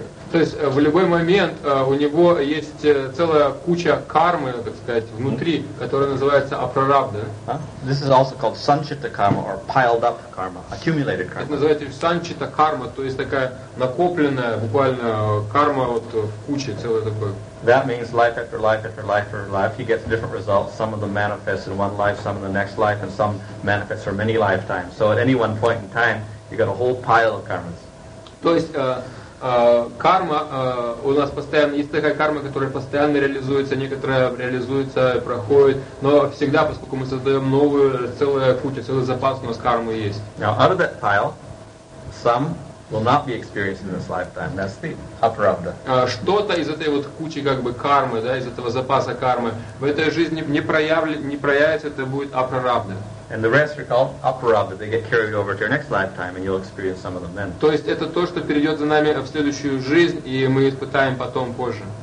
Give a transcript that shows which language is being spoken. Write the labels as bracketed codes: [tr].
[ru] То есть в любой момент у него есть целая куча кармы, так сказать, внутри, которая называется апрарабдха. [en] This is also called санчита карма or piled up карма, accumulated карма. [ru] Это называется санчита карма, то есть такая накопленная буквально карма вот в куче целая такой. [en] That means life after life after life after life, he gets different results. Some of them manifest in one life, some in the next life, and some manifest for many lifetimes. So at any one point in time, you got a whole pile of karmas. [ru] То есть карма, у нас постоянно есть такая карма, которая постоянно реализуется, некоторая реализуется, проходит, но всегда, поскольку мы создаем новую, целая куча, целый запас у нас кармы есть. [en] Now, out of that pile, some will not be experienced in this lifetime. That's the aprabdha. [ru] Что-то из этой вот кучи как бы кармы, да, из этого запаса кармы в этой жизни не проявится, это будет апрарабдха. [en] And the rest are called aprarabdha. They get carried over to your next lifetime, and you'll experience some of them then. [ru] То есть это то, что перейдет за нами в следующую жизнь, и мы испытаем потом позже.